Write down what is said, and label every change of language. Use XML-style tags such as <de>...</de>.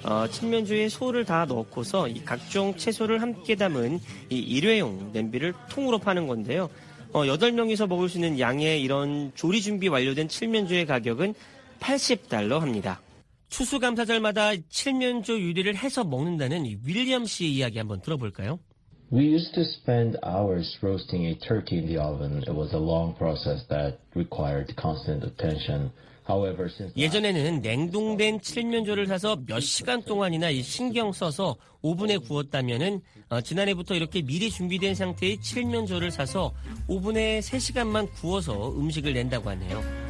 <ko>칠면조에 소를 다 넣고서 이 각종 채소를 함께 담은 이 일회용 냄비를 통으로 파는 건데요. 8명이서 먹을 수 있는 양의 이런 조리 준비 완료된 칠면조의 가격은 $80 합니다. 추수감사절마다 칠면조 요리를 해서 먹는다는 윌리엄 씨의 이야기 한번 들어볼까요?</ko> <en>We used to spend hours roasting a turkey in the oven. It was a long process that required constant attention.</en> <ko>예전에는 냉동된 칠면조를 사서 몇 시간 동안이나 신경 써서 오븐에 구웠다면은 지난해부터 이렇게 미리 준비된 상태의 칠면조를 사서 오븐에 3시간만 구워서 음식을 낸다고 하네요.</ko>